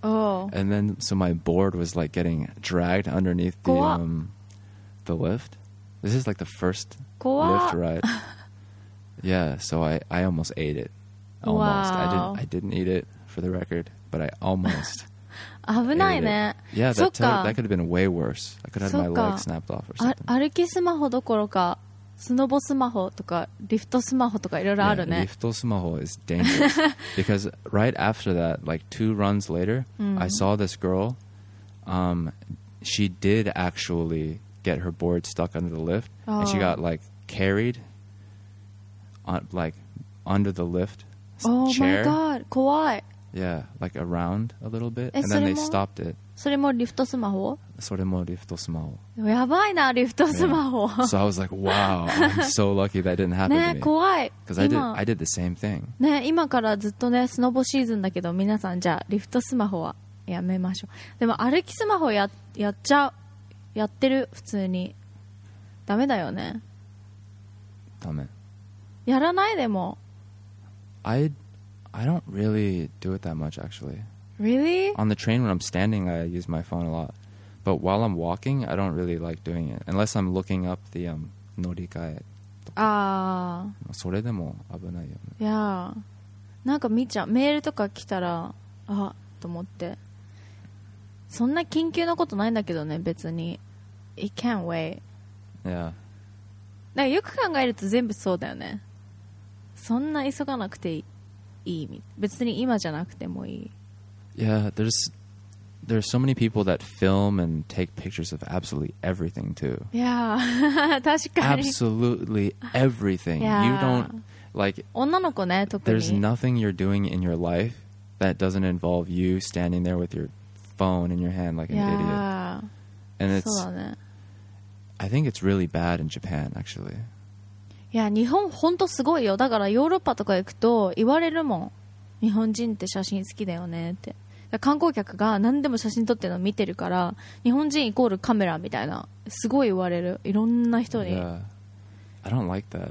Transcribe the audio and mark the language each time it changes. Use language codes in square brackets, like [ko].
[en] And then so my board was like getting dragged underneath the lift. This is like the first lift ride. Yeah, so I almost ate it. Almost. Wow. I didn't eat it, for the record, but I almost [ja] 危ないね。 [en] Yeah, that could have been way worse. I could have had my leg snapped off or something. [ja] 歩きスマホどころか、スノボスマホとか、リフトスマホとかいろいろあるね。 [en] リフトスマホ is dangerous. Because right after that, like two runs later, I saw this girl. She did actually get her board stuck under the lift. And she got like carried under the lift chair. Oh my god, [ja] 怖い。 [en] Yeah, like around a little bit. And then they stopped it. [ja] それもリフトスマホ？それもリフトスマホ。やばいな、リフトスマホ。 [en] So I was like, wow, I'm so lucky that didn't happen to me. [ja] ね、怖い。 [en] Because I did the same thing. [ja] ね、今からずっとね、スノボシーズンだけど、皆さんじゃあリフトスマホはやめましょう。でも歩きスマホやってる普通に。ダメだよね。ダメ。やらないでも。 [en] I don't really do it that much, actually. Really? On the train, when I'm standing, I use my phone a lot. But while I'm walking, I don't really like doing it. Unless I'm looking up the 乗り換えとか。 [ja] ああ。それでも危ないよね。いや。なんか見ちゃう。メールとか来たら、あっと思って。そんな緊急のことないんだけどね、別に。 [en] It can't wait. Yeah. [ja] なんかよく考えると全部そうだよね。そんな急がなくていい。別に今じゃなくてもいい。 [en] Yeah, there's so many people that film and take pictures of absolutely everything too. Yeah, [ja] 確かに。 [en] Absolutely everything. Yeah. You don't, like, [ja] 女の子ね、特に。 [en] There's nothing you're doing in your life that doesn't involve you standing there with your phone in your hand like an yeah. idiot. And it's, [ja] そうだね。 [en] I think it's really bad in Japan, actually. [ja] いや日本本当すごいよ。だからヨーロッパとか行くと言われるもん、日本人って写真好きだよねって。だ観光客が何でも写真撮ってるの見てるから、日本人イコールカメラみたいな、すごい言われる、いろんな人に。 [en] Yeah. I don't like that.